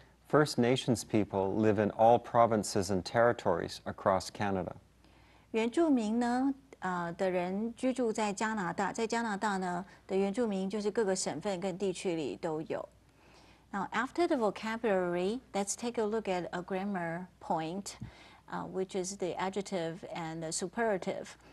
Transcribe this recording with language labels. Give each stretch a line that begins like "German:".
English: First Nations people live in all provinces and territories across Canada.
Chinese: 原住民呢，的人居住在加拿大，在加拿大呢的原住民就是各个省份跟地区里都有。
English: Now, after the vocabulary, let's take a look at a grammar point, which is the adjective and the superlative.